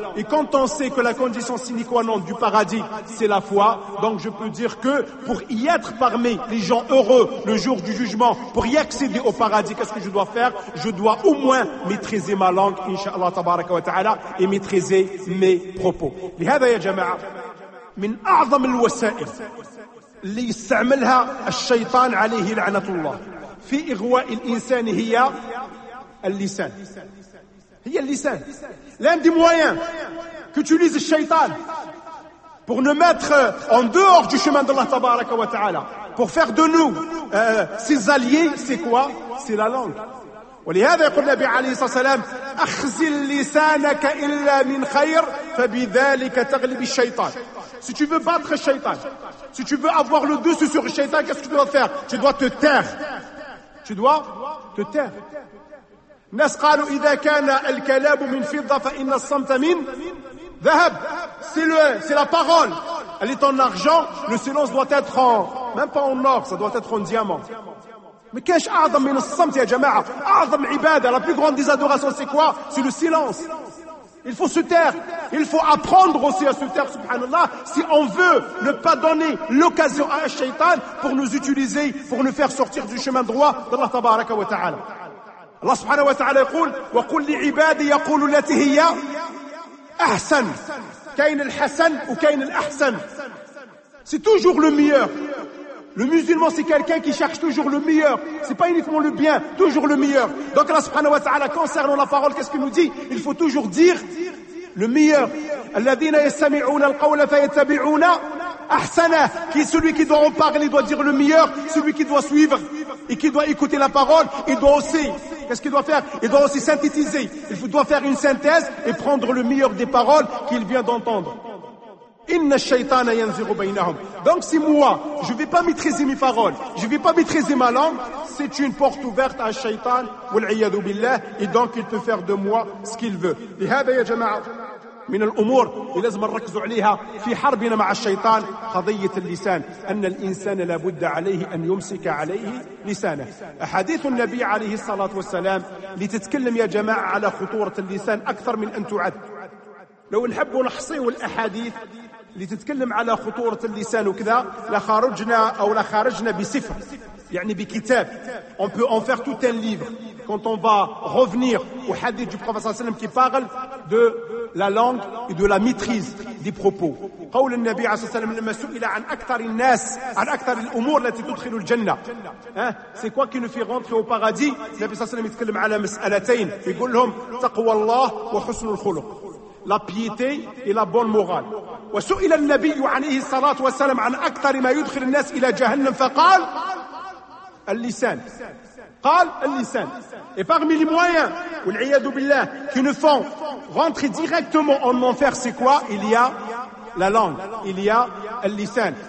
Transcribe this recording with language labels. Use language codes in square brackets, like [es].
[fr] Et quand on sait que la condition sine qua non du paradis, c'est la foi, donc je peux dire que pour y être parmi les gens heureux le jour du jugement, pour y accéder au paradis, qu'est-ce que je dois faire? Je dois au moins maîtriser ma langue, [ar] inshallah tabaraka wa ta'ala, [fr] et maîtriser mes propos. [ar] لهذا يا جماعة من أعظم الوسائل اللي يستعملها الشيطان عليه لعنة الله في إغواء الإنسان هي اللسان. هي اللسان [fr] l'un des moyens que utilise الشيطان pour nous mettre en dehors du chemin d'Allah tabaraka wa ta'ala, pour faire de nous ses alliés, c'est quoi? C'est la langue. [ar] ولهذا يقول النبي عليه الصلاة والسلام أخزي لسانك إلا من خير فبذلك تغلب الشيطان. [fr] Si tu veux battre le shaitan, si tu veux avoir le dessus sur le shaitan, qu'est-ce que tu dois faire? Tu dois te taire. Tu dois te taire. [ar] الناس قالوا إذا كان الكلام من فضة فإن الصمت من ذهب. [fr] C'est la parole. Elle est en argent. Le silence doit être en, même pas en or, ça doit être en diamant. [ar] Mais كاش أعظم من الصمت يا جماعة؟ أعظم عبادة. [fr] La plus grande des adorations, c'est quoi? C'est le silence. Il faut se taire. Il faut apprendre aussi à se taire, subhanallah, si on veut ne pas donner l'occasion à un shaitan pour nous utiliser, pour nous faire sortir du chemin droit d'Allah tabaraka wa ta'ala. [ar] Allah subhanahu wa ta'ala يقول وَقُلْ لِعِبَادِي يَقُولُ الَّتِي هِيَا أَحْسَنْ. كَيْنَ الْحَسَنُ وَكَيْنَ الْأَحْسَنُ. [fr] C'est toujours le meilleur. Le musulman, c'est quelqu'un qui cherche toujours le meilleur. C'est pas uniquement le bien, toujours le meilleur. Donc Allah [ar] subhanahu wa ta'ala, [fr] concernant la parole, qu'est-ce qu'il nous dit? Il faut toujours dire le meilleur. [ar] الَّذِينَ يَسَّمِعُونَ الْقَوْلَ فَيَتَّبِعُونَ أَحْسَنَ. [fr] Qui est celui qui doit en parler, doit dire le meilleur. Celui qui doit suivre et qui doit écouter la parole, il doit aussi, qu'est-ce qu'il doit faire? Il doit aussi synthétiser. Il doit faire une synthèse et prendre le meilleur des paroles qu'il vient d'entendre. [ar] إِنَّ الشَّيْطَانَ يَنْزِغُ بَيْنَهُمْ. [fr] Donc si moi, je ne vais pas maîtriser mes paroles, je ne vais pas maîtriser ma langue, c'est une porte ouverte à Shaitan, [ar] وَالْعِيَّذُ بِاللَّهِ, [fr] et donc il peut faire de moi ce qu'il veut. [ar] لهذا يا جماعة من الأمور لازم نركز عليها في حربنا مع الشيطان قضية اللسان, أن الإنسان لابد عليه أن يمسك عليه لسانه. أحاديث النبي عليه الصلاة والسلام لتتكلم يا جماعة على خطورة اللسان أكثر من أن تعد. لو نحب نحصي الأحاديث لتتكلم على خطورة اللسان وكذا لخرجنا أو لخرجنا بصفة يعني بكتاب. [fr] On peut en faire tout un livre. Quand on va revenir au hadith du prophète sallam qui parle de la langue et de la maîtrise des propos. [ar] قول النبي عليه الصلاة والسلام لما سئل عن أكثر الناس عن أكثر الأمور التي تدخل الجنة. [fr] C'est quoi qui nous fait rentrer au paradis? [ar] النبي صلى الله عليه وسلم يتكلم على مسألتين. يقول لهم تقوى الله وحسن الخلق. [fr] La piété et la bonne morale. [ar] وسئل النبي عليه الصلاة والسلام عن أكثر ما يدخل الناس إلى جهنم فقال اللسان. قال اللسان. [fr] Et parmi les moyens, [ar] والعياذ بالله, [fr] qui nous font rentrer directement en enfer, c'est quoi? Il y a la langue. Il y a اللسان.